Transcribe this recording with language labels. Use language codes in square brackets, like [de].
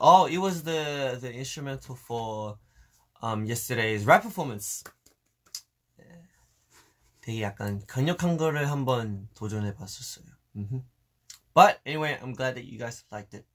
[en] Oh, it was the instrumental for yesterday's rap performance. [ko] 되게 약간 강력한 거를 한번 도전해 봤었어요. [en] But anyway, I'm glad that you guys liked it.